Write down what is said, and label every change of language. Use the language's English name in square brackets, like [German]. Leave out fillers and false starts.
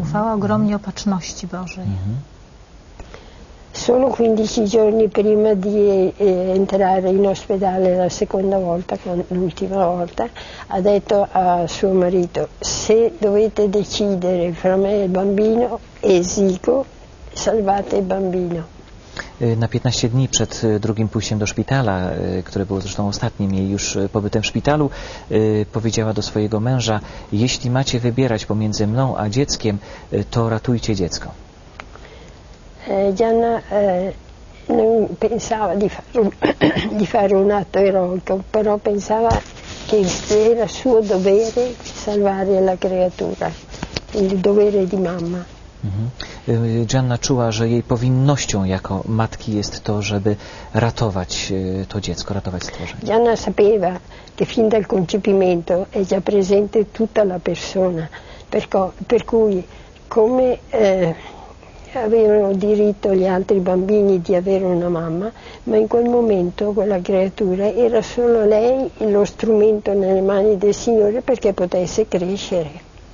[Polish] Ufała ogromnie opatrzności Bożej. [Italian] Solo 15 giorni prima di entrare in ospedale la seconda volta, l'ultima volta, ha detto a suo marito: se dovete decidere fra me e il bambino, esigo, salvate il bambino. [Polish] Na 15 dni przed drugim pójściem do szpitala, które było zresztą ostatnim jej już pobytem w szpitalu, powiedziała do swojego męża: jeśli macie wybierać pomiędzy mną a dzieckiem, to ratujcie dziecko. [Italian] Gianna non pensava di fare un atto eroico, però pensava che era suo dovere salvare la creatura, il dovere di mamma. [Polish] Gianna czuła, że jej powinnością jako matki jest to, żeby ratować to dziecko, ratować stworzenie. [Italian] Gianna sapeva che fin dal concepimento è già presente tutta la persona, per cui come avevano diritto gli altri bambini di avere una mamma, ma in quel momento quella creatura era solo lei lo strumento nelle mani del Signore perché potesse crescere.